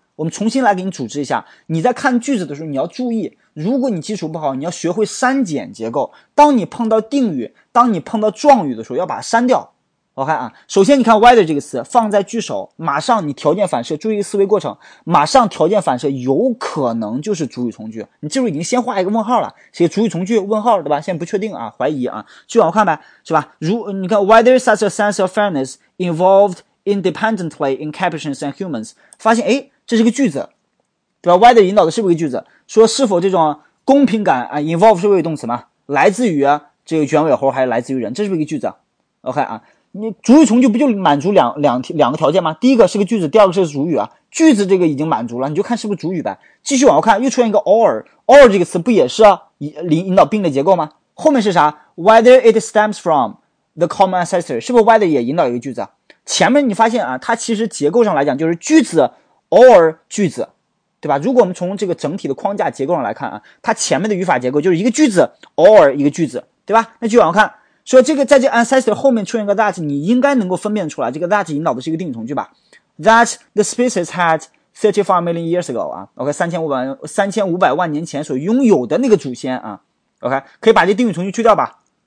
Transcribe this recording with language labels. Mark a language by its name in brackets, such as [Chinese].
[Chinese] 我们重新来给你组织一下，你在看句子的时候你要注意，如果你基础不好，你要学会删减结构，当你碰到定语，当你碰到状语的时候要把它删掉。 OK 啊，首先你看 whether 这个词放在句首，马上你条件反射，注意思维过程，马上条件反射有可能就是主语从句，你记住已经先画一个问号了，写主语从句问号，对吧？现在不确定啊，怀疑啊，继续往后看呗，是吧？如你看 [English] whether such a sense of fairness involved independently in capuchins and humans， [Chinese] 发现诶这是一个句子，对吧？ whether 引导的是不是一个句子？说是否这种公平感啊 ，involve 是谓语动词吗？来自于这个卷尾猴还是来自于人？这是不是一个句子 ？OK 啊，你主语从句不就满足两个条件吗？第一个是个句子，第二个是主语啊。句子这个已经满足了，你就看是不是主语呗。继续往后看，又出现一个 or 这个词不也是引导并列结构吗？后面是啥 ？ [English] Whether it stems from the common ancestor， [Chinese] 是不是 whether 也引导一个句子？前面你发现啊，它其实结构上来讲就是句子 or 句子，对吧？如果我们从这个整体的框架结构上来看啊，它前面的语法结构就是一个句子 or 一个句子，对吧？那继续往后看，说这个在这 ancestor 后面出现个 that， 你应该能够分辨出来，这个 that 引导的是一个定语从句吧 ？ [English] That the species had 35 million years ago [Chinese] 啊 ，OK， 三千五百万年前所拥有的那个祖先啊 ，OK， 可以把这定语从句去掉吧？